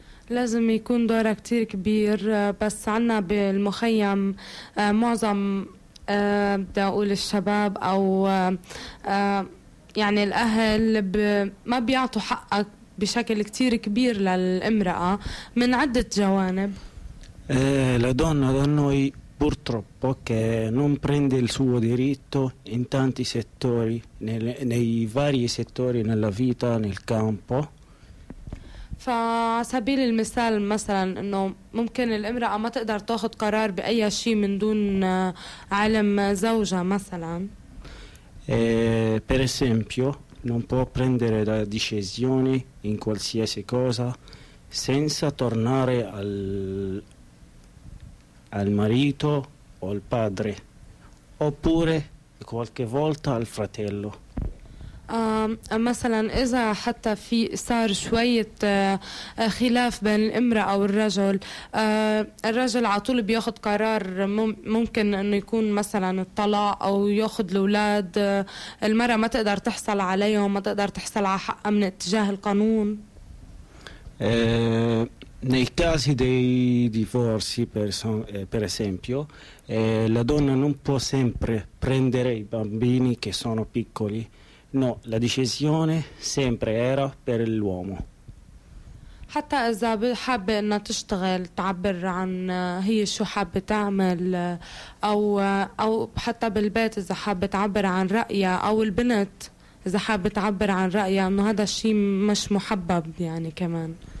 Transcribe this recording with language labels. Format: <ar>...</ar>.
<ar>لازم يكون دورها كتير كبير بس عنا بالمخيم معظم بدي أقول الشباب أو يعني الأهل ما بيعطوا حقك بشكل كتير كبير للإمرأة من عدة جوانب.</ar> <it>La donna da noi purtroppo che non prende il suo diritto in tanti settori, nei vari settori nella vita, nel campo.</it> <ar>فسبيل المثال مثلا انه ممكن الامرأة ما تقدر تاخذ قرار بأي شيء من دون علم زوجها مثلا.</ar> <it>Per esempio, non può prendere la decisione in qualsiasi cosa senza tornare al marito o al padre, oppure qualche volta al fratello.</it> <ar>مثلا إذا حتى في صار شوية خلاف بين الإمرأة أو الرجل، الرجل على طول بياخد قرار ممكن إنه يكون مثلا الطلاق أو ياخد الأولاد، المرأة ما تقدر تحصل عليهم، ما تقدر تحصل على حق من اتجاه القانون.</ar> <it>Nei casi dei divorzi, per esempio, la donna non può sempre prendere i bambini che sono piccoli. No, la decisione sempre era per l'uomo.</it> <ar>حتى إذا حابة إنها تشتغل تعبر عن هي شو حابة تعمل أو حتى بالبيت إذا حابة تعبر عن رأيها أو البنت إذا حابة تعبر عن رأيها إنه هذا الشيء مش محبب يعني كمان.</ar>